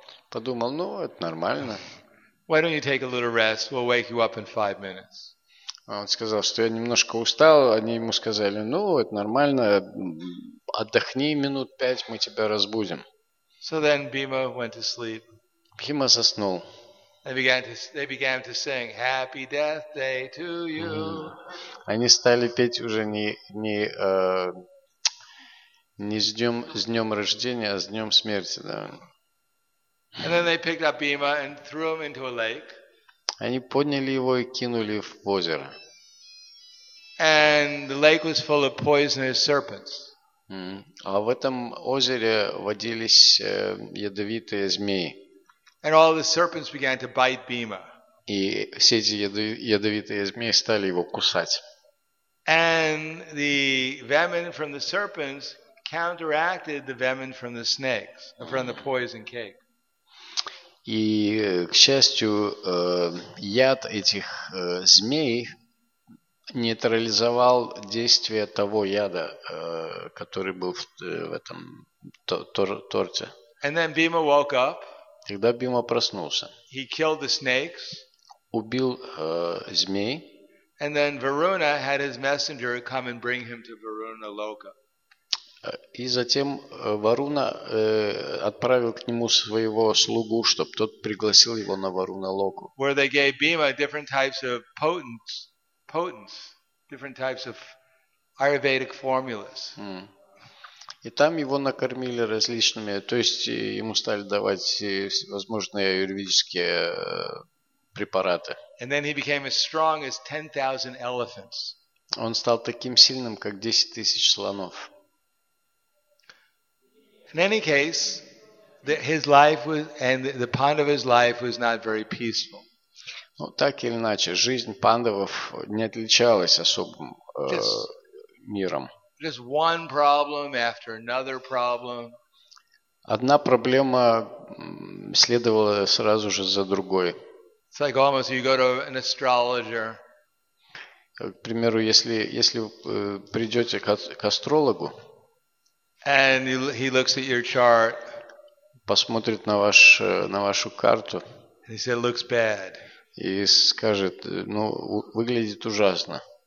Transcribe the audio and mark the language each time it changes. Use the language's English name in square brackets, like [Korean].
[Russian] Подумал, ну, это нормально. [English] Why don't you take a little rest? We'll wake you up in 5 minutes. [Russian] Он сказал, что я немножко устал. Они ему сказали, ну, это нормально. Отдохни 5 минут, мы тебя разбудим. [English] So then Bhima went to sleep. [Russian] Бхима заснул. [English] They began to sing Happy Death Day to you. [Russian] Они стали петь уже не с днем рождения, а с днем смерти, да. [English] And then they picked up Bhima and threw him into a lake. [Russian] Они подняли его и кинули в озеро. [English] And the lake was full of poisonous serpents. [Russian] А в этом озере водились ядовитые змеи. [English] And all the serpents began to bite Bhima. [Russian] И все эти ядовитые змеи стали его кусать. [English] And the venom from the serpents counteracted the venom from the snakes, from the poison cake. [Russian] И, к счастью, яд этих змей нейтрализовал действие того яда, который был в этом торте. [English] And then Bhima woke up. [Russian] Тогда Бхима проснулся. [English] He killed the snakes. [Russian] Убил змей. [English] And then Varuna had his messenger come and bring him to Varuna Loka. [Russian] И затем Варуна отправил к нему своего слугу, чтобы тот пригласил его на Варуна Локу. [English] Where they gave Bhima different types of potents, different types of Ayurvedic formulas. [Russian] И там его накормили различными, то есть ему стали давать всевозможные аюрведические препараты. [English] And then he became as strong as 10,000 elephants. [Russian] Он стал таким сильным, как 10,000 слонов. [English] In any case, his life was, and the Pandava's life was not very peaceful. [Russian] Ну, так или иначе, жизнь пандавов не отличалась особым миром. [English] Just one problem after another problem. [Russian] Одна проблема следовала сразу же за другой. [English] It's like almost you go to an astrologer. [Russian] К примеру, если вы придете к астрологу, [English] and he looks at your chart. [Russian] Посмотрит на вашу карту. [English] And he said, "Looks bad." [Russian] И скажет, ну, выглядит ужасно.